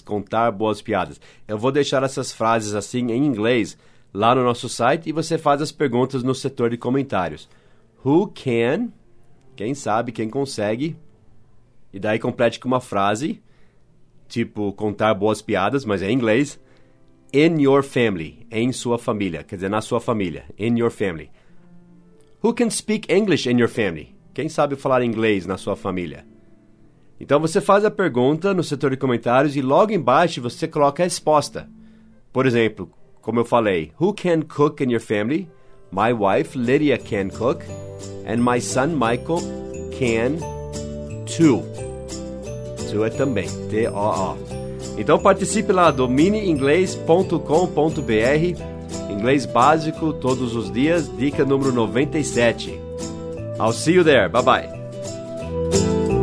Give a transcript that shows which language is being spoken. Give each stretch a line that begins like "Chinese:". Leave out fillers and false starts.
Portuguese: Contar boas piadas. Eu vou deixar essas frases assim em inglês lá no nosso site e você faz as perguntas no setor de comentários.
English: Who can?
Portuguese: Quem sabe, quem consegue? E daí complete com uma frase, tipo contar boas piadas, mas é em inglês.
English: In your family.
Portuguese: Em sua família. Quer dizer, na sua família. In your family.
English: Who can speak English in your family?
Portuguese: Quem sabe falar inglês na sua família? Então você faz a pergunta no setor de comentários e logo embaixo você coloca a resposta. Por exemplo, como eu falei,
English: who can cook in your family? My wife, Lydia, can cook. And my son, Michael, can too.
Portuguese: Too é também, T-O-O. Então participe lá do miniinglês.com.br. Inglês básico, todos os dias, dica número 97.
English: I'll see you there. Bye-bye.